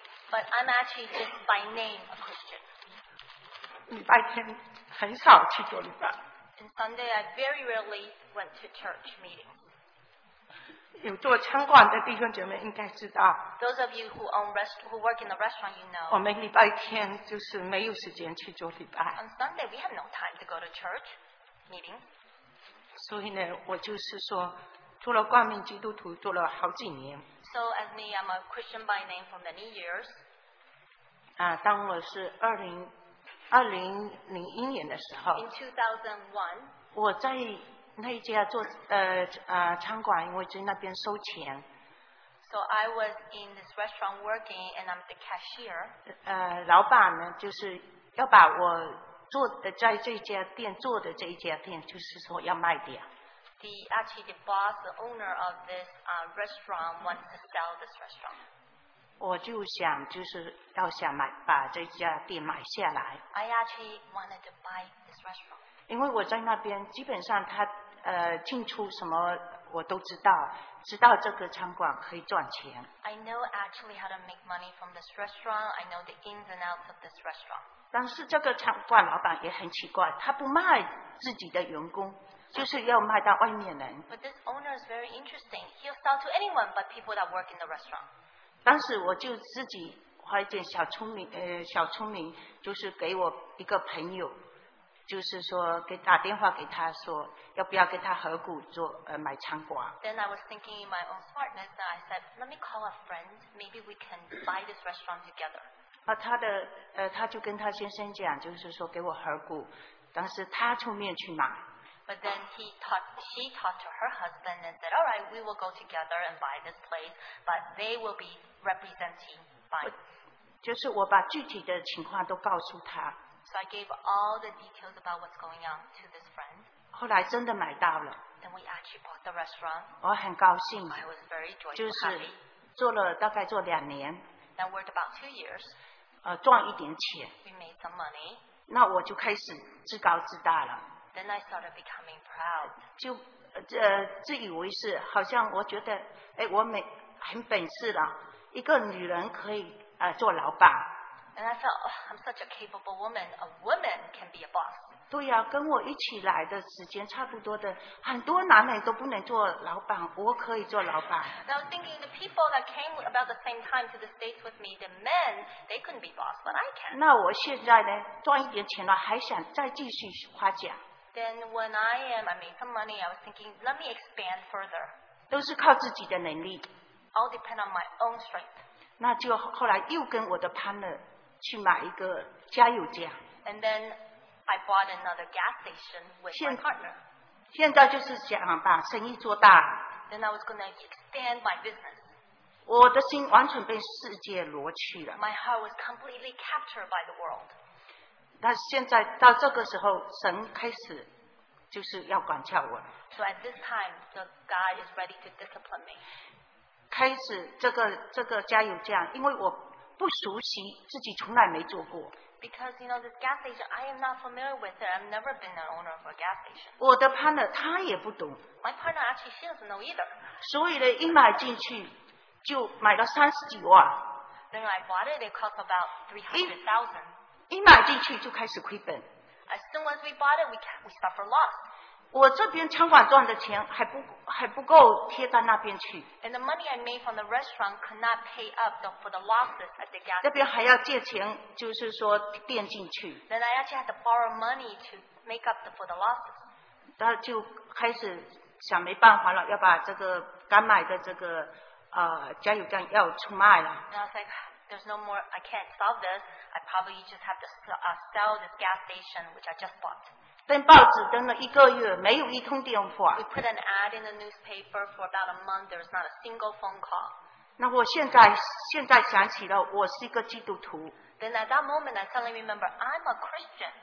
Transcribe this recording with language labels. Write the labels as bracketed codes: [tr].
[en] But I'm actually just by name a Christian. [zh] 礼拜天很少去做礼拜。 [en] And Sunday I very rarely went to church meetings. [zh] 有做餐馆的弟兄姐妹应该知道, [en] those of you who own who work in the restaurant, you know. [zh] 我们礼拜天就是没有时间去做礼拜。 [en] On Sunday we have no time to go to church meeting. [zh] 所以呢,我就是说, 除了冠名基督徒做了好几年, [en] so as me, I'm a Christian by name for many years. [zh] 当我是2001年的时候, [en] in 2001, [zh] 我在那一家做餐馆, 我在那边收钱, [en] So I was in this restaurant working, and I'm the cashier. [zh] 老板呢，就是要把我做的在这家店做的这一家店，就是说要卖掉。 [en] The actually the boss, the owner of this restaurant, wants to sell this restaurant. [zh] 我就想就是要想买把这家店买下来。 [en] I actually wanted to buy this restaurant. [zh] 因为我在那边基本上他进出什么我都知道。知道这个餐馆可以赚钱。 [en] I know actually how to make money from this restaurant. I know the ins and outs of this restaurant. [zh] 但是这个餐馆老板也很奇怪，他不卖自己的员工，就是要卖到外面人。 [en] But this owner is very interesting. He'll sell to anyone but people that work in the restaurant. [zh] 当时我就自己花一点小聪明，小聪明就是给我一个朋友，就是说给打电话给他说要不要跟他合股做买餐馆。 [en] Then I was thinking in my own smartness, I said, let me call a friend, maybe we can buy this restaurant together. [zh] 他就跟他先生讲，就是说给我合股，但是他出面去买。 [en] But then she talked to her husband and said, all right, we will go together and buy this place, but they will be representing buying. [zh] 就是我把具体的情况都告诉他。 [en] So I gave all the details about what's going on to this friend. [zh] 后来真的买到了。 [en] Then we actually bought the restaurant. [zh] 我很高兴。 [en] I was very joyful. [zh] 就是做了大概做两年。 [en] Now worked about 2 years. [zh] 赚一点钱。 [en] We made some money. [zh] 那我就开始自高自大了。 [en] Then I started becoming proud. [zh] 就自以为是，好像我觉得，哎，我没很本事了，一个女人可以做老板。 [en] And I felt, oh, I'm such a capable woman. A woman can be a boss. [zh] 对呀，跟我一起来的时间差不多的，很多男人都不能做老板，我可以做老板。 [en] And I was thinking the people that came about the same time to the States with me, the men, they couldn't be boss, but I can. [zh] 那我现在呢，赚一点钱了，还想再继续夸奖。 [en] Then when I made some money, I was thinking, let me expand further. [zh] 都是靠自己的能力。 [en] All depend on my own strength. [zh] 那就后来又跟我的 partner去买一个加油站。 [en] And then I bought another gas station with my partner. [zh] 现在就是想把生意做大。 [en] Then I was going to expand my business. [zh] 我的心完全被世界掳去了。 [en] My heart was completely captured by the world. [zh] 但现在到这个时候，神开始就是要管教我。 [en] So at this time, the God is ready to discipline me. [zh] 开始这个加油站，因为我不熟悉，自己从来没做过。 [en] Because you know this gas station, I am not familiar with it. I've never been an owner of a gas station. [zh] 我的 partner 他也不懂。 [en] My partner actually she doesn't know either. [zh] 所以呢，一买进去就买了30几万。 [en] Then I bought it. It cost about 300,000. [zh] 一买进去就开始亏本。 [en] As soon as we bought it, we suffer loss. [zh] 我这边餐馆赚的钱还不够贴到那边去。 [en] And the money I made from the restaurant could not pay up for the losses at the gas station. [zh] 这边还要借钱，就是说垫进去。 [en] Then I actually had to borrow money to make up for the losses. [zh] 那就开始想没办法了，要把这个刚买的这个加油站要出卖了。 [en] And I was like, there's no more, I can't solve this. I probably just have to sell this gas station which I just bought. [zh] 登报纸登了一个月，没有一通电话。 [en] We put an ad in the newspaper for about a month. There's not a single phone call. [zh] 那我现在想起了，我是一个基督徒。 [en] Then at that moment, I suddenly remember I'm a Christian.